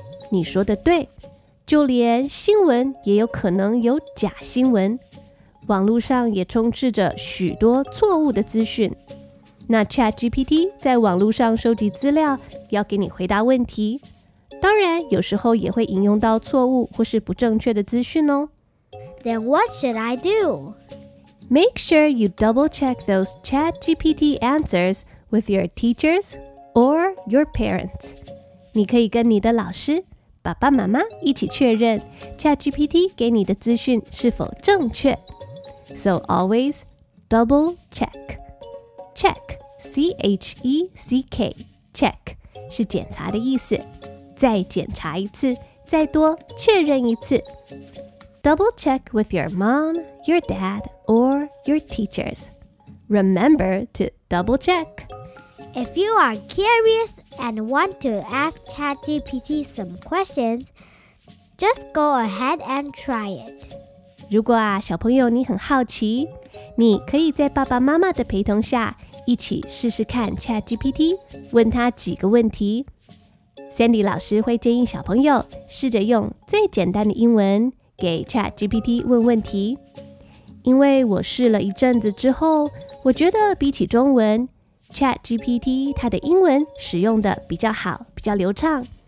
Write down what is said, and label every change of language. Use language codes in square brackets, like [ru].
[zh] 你说的对，就连新闻也有可能有假新闻，网络上也充斥着许多错误的资讯。那 ChatGPT 在网络上收集资料，要给你回答问题，当然有时候也会引用到错误或是不正确的资讯哦。 [en] Then what should I do? Make sure you double-check those ChatGPT answers with your teachers or your parents. [zh] 你可以跟你的老师、爸爸妈妈一起确认 ChatGPT 给你的资讯是否正确。 [en] So always double-check. Check, C-H-E-C-K, check, [zh] 是检查的意思。再检查一次，再多确认一次。 [en] Double check with your mom, your dad, or your teachers. Remember to double check. If you are curious and want to ask ChatGPT some questions, just go ahead and try it. [zh] 如果啊，小朋友你很好奇，你可以在爸爸妈妈的陪同下一起试试看 ChatGPT， 问他几个问题。 Sandy 老师会建议小朋友试着用最简单的英文给 ChatGPT 问问题，因为我试了一阵子之后，我觉得比起中文 ，ChatGPT 它的英文使用的比较好，比较流畅。